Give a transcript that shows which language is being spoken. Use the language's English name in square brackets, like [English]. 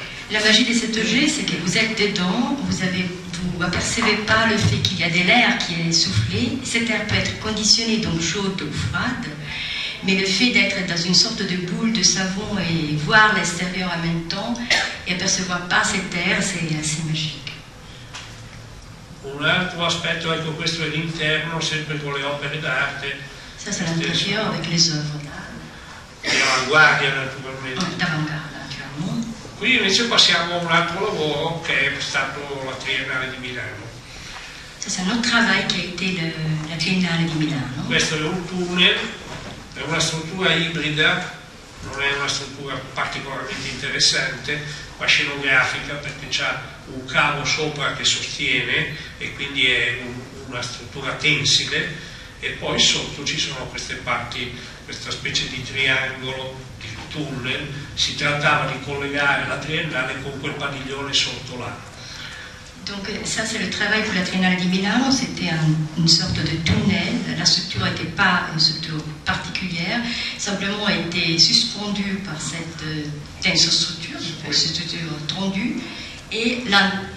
[French] La magie de cet objet, c'est que vous êtes dedans, vous n'apercevez pas le fait qu'il y a de l'air qui est soufflé. Cet air peut être conditionné, donc chaud ou froid, mais le fait d'être dans une sorte de boule de savon et voir l'extérieur en même temps et apercevoir pas cet air, c'est assez magique. [Italian] Un altro aspetto, ecco, questo è l'interno, sempre con le opere d'arte. [French] Ça, c'est l'intérieur avec les œuvres. [Italian] L'avanguardia naturalmente. D'avanguardia, qui invece passiamo a un altro lavoro che è stato la Triennale di Milano. [French] C'est un autre travail qui a été la Triennale di Milano. [Italian] Questo è un tunnel, è una struttura ibrida, non è una struttura particolarmente interessante, ma scenografica, perché c'ha un cavo sopra che sostiene e quindi è una struttura tensile, e poi sotto ci sono queste parti, questa specie di triangolo, di tunnel. Si trattava di collegare la Triennale con quel padiglione sotto là. [French] Donc ça c'est le travail pour la Triennale di Milano, c'était une sorte de tunnel, la structure n'était pas une structure particulière, simplement a été suspendue par cette tensile structure, cette structure tendue, et là...